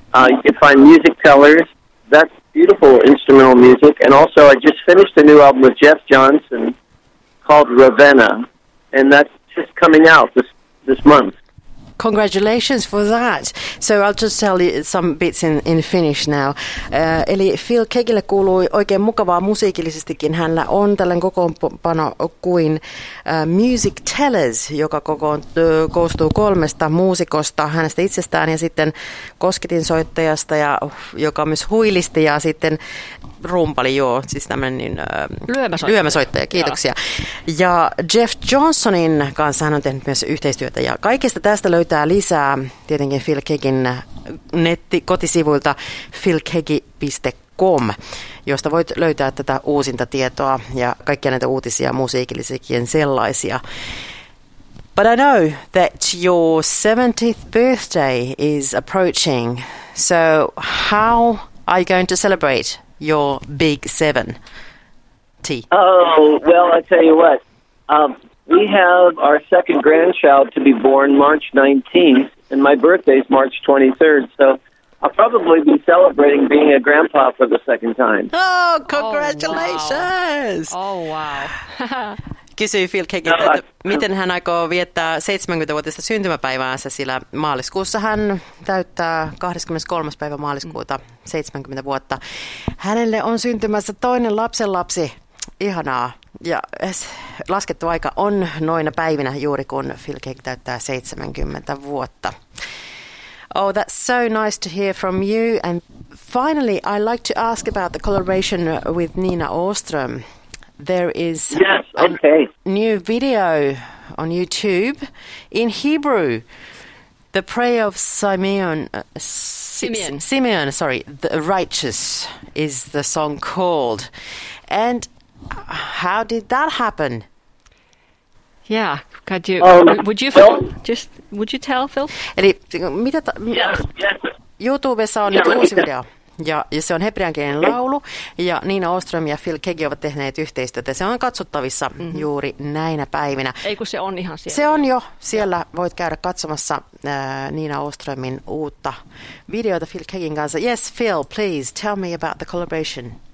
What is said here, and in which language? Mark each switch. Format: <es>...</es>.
<en>You can find Music Tellers. That's beautiful instrumental music. And also, I just finished a new album with Jeff Johnson called Ravenna. And that's just coming out this month. Congratulations for that. So I'll just tell you some bits in Finnish now.</en> <fi>Eli Phil Keggille kuului oikein mukavaa musiikillisestikin. Hänellä on tällainen kokoonpano kuin Music Tellers, joka koostuu kolmesta muusikosta, hänestä itsestään ja sitten kosketinsoittajasta, joka on myös huilisti ja sitten rumpali, joo, siis tämmöinen niin, lyömäsoittaja, kiitoksia. Ja Jeff Johnsonin kanssa hän on tehnyt myös yhteistyötä ja kaikesta tästä löytää lisää tietenkin Phil Keggin kotisivuilta philkeggi.com, josta voit löytää tätä uusinta tietoa ja kaikkia näitä uutisia musiikillisikin sellaisia.</fi> <en>But I know that your 70th birthday is approaching, so how are you going to celebrate your big 7T? Oh, well, I tell you what. We have our second grandchild to be born March 19th, and my birthday's March 23rd, so I'll probably be celebrating being a grandpa for the second time. Oh, congratulations! Oh, wow.</en> <fi>Kysyi Phil Keggi, että miten hän aikoo viettää 70-vuotista syntymäpäiväänsä, sillä maaliskuussa hän täyttää 23. päivä maaliskuuta 70 vuotta. Hänelle on syntymässä toinen lapsenlapsi. Ihanaa. Ja laskettu aika on noina päivinä juuri kun Phil Keggi täyttää 70 vuotta.</fi> <en>Oh, that's so nice to hear from you. And finally, I'd like to ask about the collaboration with Nina Åström. There is a new video on YouTube in Hebrew, the prayer of Simeon, the righteous is the song called. And how did that happen? Yeah, could you, would you tell Phil? Yes.</en> <fi>YouTubessa on nyt uusi video. Ja se on hebreankielinen laulu, ja Nina Åström ja Phil Keggi ovat tehneet yhteistyötä. Se on katsottavissa juuri näinä päivinä. Ei kun se on ihan siellä. Se on jo siellä. Ja. Voit käydä katsomassa Nina Åströmin uutta videota Phil Keggin kanssa.</fi> <en>Yes, Phil, please tell me about the collaboration.</en>